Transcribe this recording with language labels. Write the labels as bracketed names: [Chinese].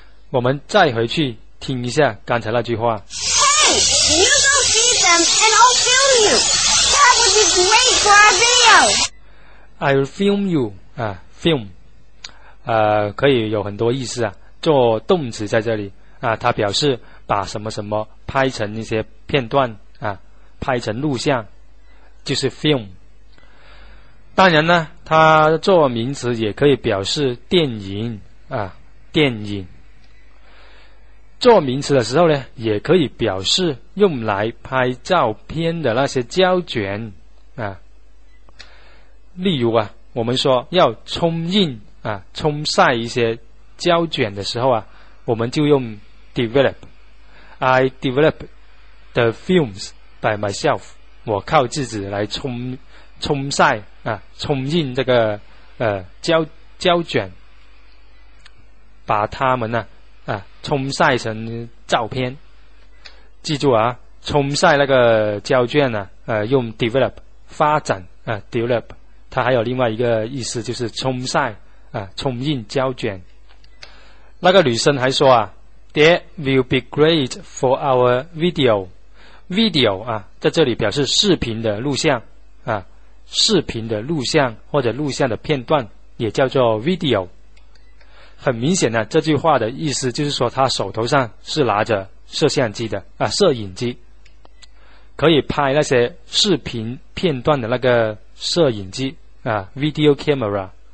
[Chinese] 我们再回去听一下刚才那句话。 [English] Hey, you go feed them and I'll film you. That would be great for our video. I will film you. [Chinese] 啊 ，film， 可以有很多意思啊。做动词在这里啊，它表示把什么什么拍成一些片段啊，拍成录像，就是 film。当然呢，它做名词也可以表示电影啊，电影。做名词的时候呢，也可以表示用来拍照片的那些胶卷啊。例如啊，我们说要冲印啊，冲晒一些胶卷的时候啊，我们就用 develop。 [English] I develop the films by myself。 [Chinese] 我靠自己来冲晒啊，冲印这个胶卷，把它们呢啊冲晒成照片。记住啊，冲晒那个胶卷呢、啊，用 develop 发展啊 develop。它还有另外一个意思，就是冲晒啊，冲印胶卷。那个女生还说啊 [English] ，That will be great for our video。 [Chinese] video 啊，在这里表示视频的录像啊，视频的录像或者录像的片段也叫做 video。很明显呢、啊，这句话的意思就是说，她手头上是拿着摄像机的啊，摄影机，可以拍那些视频片段的那个摄影机啊 ，video camera。